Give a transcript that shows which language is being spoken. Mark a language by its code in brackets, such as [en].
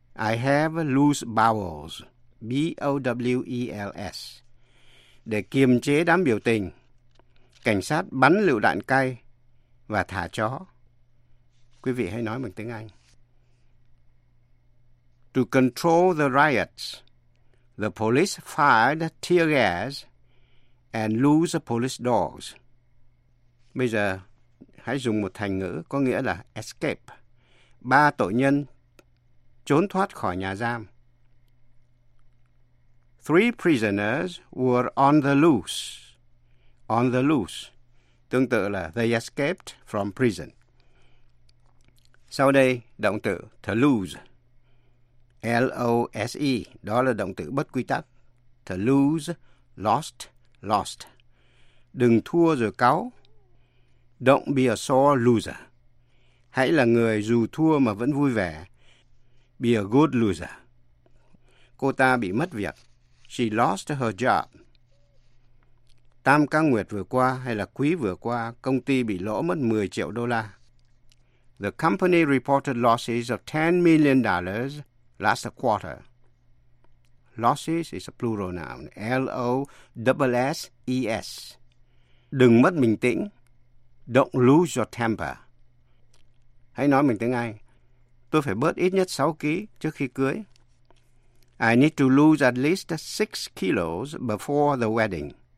[en] I have loose bowels. B-O-W-E-L-S. [vi] Để kiềm chế đám biểu tình, cảnh sát bắn lựu đạn cay và thả chó. Quý vị hãy nói bằng tiếng Anh. [en] To control the riots, the police fired tear gas and loose police dogs. [vi] Bây giờ, hãy dùng một thành ngữ có nghĩa là escape. Ba tội nhân trốn thoát khỏi nhà giam. [en] Three prisoners were on the loose. On the loose. [vi] Tương tự là [en] they escaped from prison. [vi] Sau đây, động từ to lose. L-O-S-E. Đó là động từ bất quy tắc. To lose, lost, lost. Đừng thua rồi cáu. [en] Don't be a sore loser. [vi] Hãy là người dù thua mà vẫn vui vẻ. [en] Be a good loser. [vi] Cô ta bị mất việc. [en] She lost her job. [vi] Tam ca nguyệt vừa qua hay là quý vừa qua, công ty bị lỗ mất 10 triệu đô la. [en] The company reported losses of $10 million last quarter. Losses is a plural noun. L-O-S-S-E-S. [vi] Đừng mất bình tĩnh. [en] Don't lose your temper. [vi] Hãy nói mình tiếng Anh. Tôi phải bớt ít nhất 6 ký trước khi cưới. [en] I need to lose at least 6 kilos before the wedding.